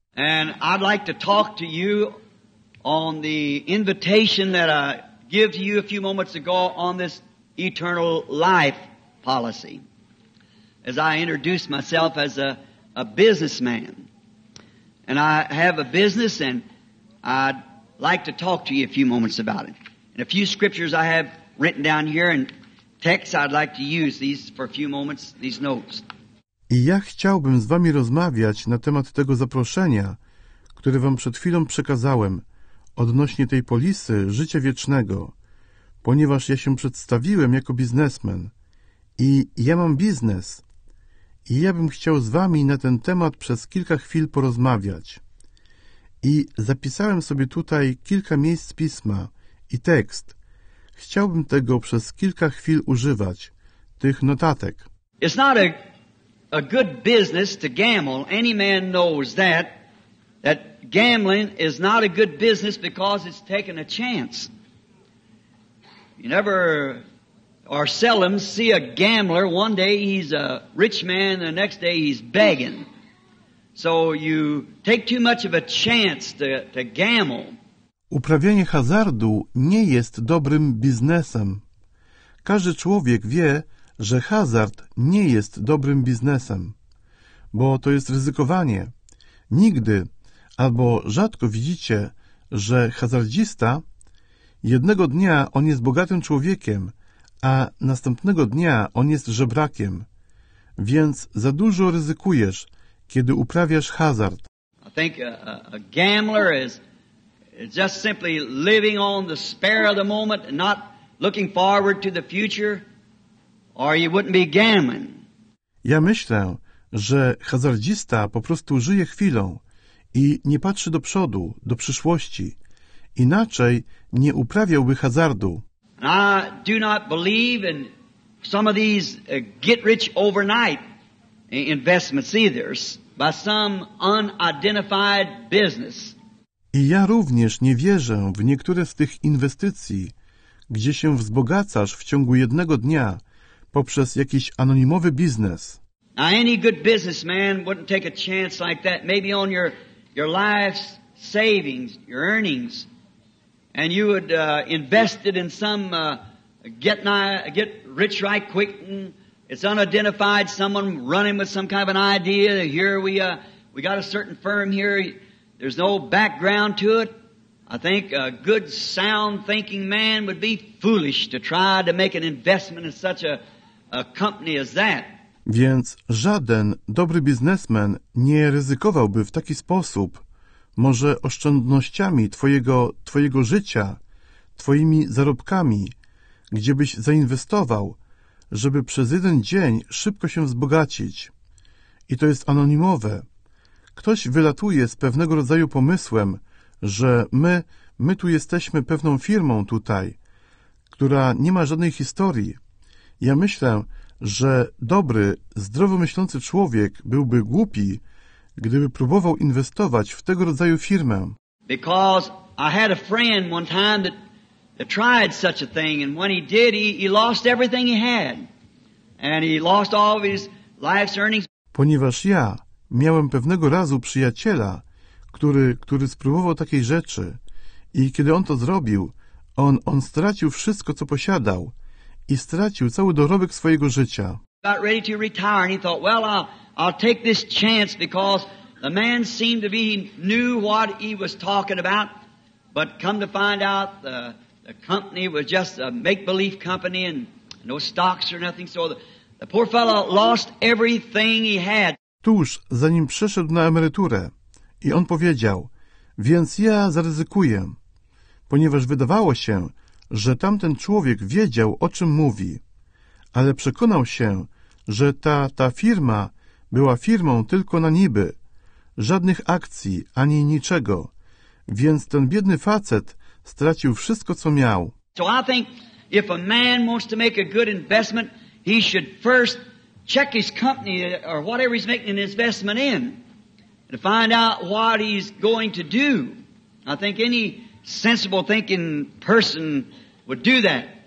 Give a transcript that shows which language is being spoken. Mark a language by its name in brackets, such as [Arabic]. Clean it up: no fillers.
[English] And I'd like to talk to you on the invitation that I gave to you a few moments ago on this eternal life policy. As I introduce myself as a businessman. And I have a business, and I'd like to talk to you a few moments about it. And a few scriptures I have written down here, and texts I'd like to use these for a few moments, these notes. [Polish] I ja chciałbym z wami rozmawiać na temat tego zaproszenia, które wam przed chwilą przekazałem, odnośnie tej polisy życia wiecznego, ponieważ ja się przedstawiłem jako biznesmen. I ja mam biznes. I ja bym chciał z wami na ten temat przez kilka chwil porozmawiać. I zapisałem sobie tutaj kilka miejsc pisma i tekst. Chciałbym tego przez kilka chwil używać, tych notatek. [English] It's not a good business to gamble. Any man knows that, that gambling is not a good business because it's taking a chance. You never... or seldom see a gambler, one day he's a rich man, the next day he's begging. So you take too much of a chance to gamble. [Polish] Uprawianie hazardu nie jest dobrym biznesem. Każdy człowiek wie, że hazard nie jest dobrym biznesem, bo to jest ryzykowanie. Nigdy albo rzadko widzicie, że hazardzista, jednego dnia on jest bogatym człowiekiem, a następnego dnia on jest żebrakiem. Więc za dużo ryzykujesz, kiedy uprawiasz hazard. [English] I think a gambler is just simply living on the spur of the moment, not looking forward to the future, or you wouldn't be gambling. [Polish] Ja myślę, że hazardzista po prostu żyje chwilą i nie patrzy do przodu, do przyszłości. Inaczej nie uprawiałby hazardu. [English] And I do not believe in some of these get-rich-overnight investments either, by some unidentified business. [Polish] I ja również nie wierzę w niektóre z tych inwestycji, gdzie się wzbogacasz w ciągu jednego dnia poprzez jakiś anonimowy biznes. [English] Now, any good businessman wouldn't take a chance like that, maybe on your life's savings, your earnings. And you would invest it in some get rich right quick. And it's unidentified. Someone running with some kind of an idea. Here we got a certain firm here. There's no background to it. I think a good, sound thinking man would be foolish to try to make an investment in such a company as that. [Polish] Więc żaden dobry biznesmen nie ryzykowałby w taki sposób. Może oszczędnościami twojego życia, twoimi zarobkami, gdzie byś zainwestował, żeby przez jeden dzień szybko się wzbogacić. I to jest anonimowe. Ktoś wylatuje z pewnego rodzaju pomysłem, że my tu jesteśmy pewną firmą tutaj, która nie ma żadnej historii. Ja myślę, że dobry, zdrowomyślący człowiek byłby głupi, gdyby próbował inwestować w tego rodzaju firmę. [English] Because I had a friend one time that tried such a thing, and when he did, he lost everything he had, and he lost all of his life's earnings. [Polish] Ponieważ ja miałem pewnego razu przyjaciela, który spróbował takiej rzeczy, i kiedy on to zrobił, on stracił wszystko, co posiadał, i stracił cały dorobek swojego życia. [English] Got ready to retire, and he thought, well, I'll take this chance, because the man seemed to be, he knew what he was talking about, but come to find out the company was just a make-believe company and no stocks or nothing, so the poor fellow lost everything he had. [Polish] Tuż zanim przeszedł na emeryturę, i on powiedział, więc ja zaryzykuję, ponieważ wydawało się, że tamten człowiek wiedział, o czym mówi, ale przekonał się, że ta firma była firmą tylko na niby, żadnych akcji ani niczego, więc ten biedny facet stracił wszystko, co miał. [English] So I think if a man wants to make a good investment, he should first check his company or whatever he's making an investment in to find out what he's going to do. I think any sensible thinking person would do that.